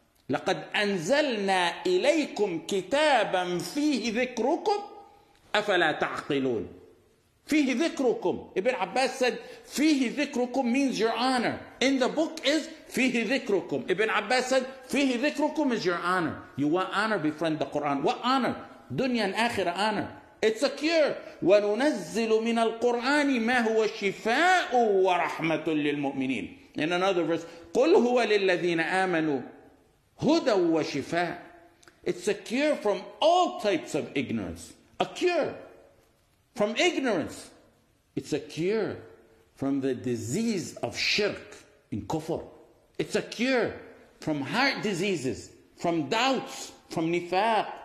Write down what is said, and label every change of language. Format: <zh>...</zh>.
<ar>لَقَدْ أَنزَلْنَا إِلَيْكُمْ كِتَابًا فِيهِ ذِكْرُكُمْ أَفَلَا تَعْقِلُونَ. فيه ذكركم.</ar> <en>Ibn Abbas said,</en> <ar>فيه ذكركم</ar> <en>means your honor. In the book is</en> <ar>فيه ذكركم.</ar> <en>Ibn Abbas said, فيه ذكركم is your honor. You want honor, befriend the Quran. What honor?</en> <ar>دنيا آخرة</ar> <en>honor. It's a cure.</en> <ar>وَنُنَزِّلُ مِنَ الْقُرْآنِ مَا هُوَ الشِّفَاءُ وَرَحْمَةٌ لِلْمُؤْمِنِينَ.</ar> <en>In another verse,</en> <ar>قُلْ هُوَ لِلَّذِينَ آمَنُوا هُدًى وَشِفَاءٌ.</ar> <en>It's a cure from all types of ignorance. A cure from ignorance. It's a cure from the disease of shirk in kufr. It's a cure from heart diseases, from doubts, from nifaq.</en>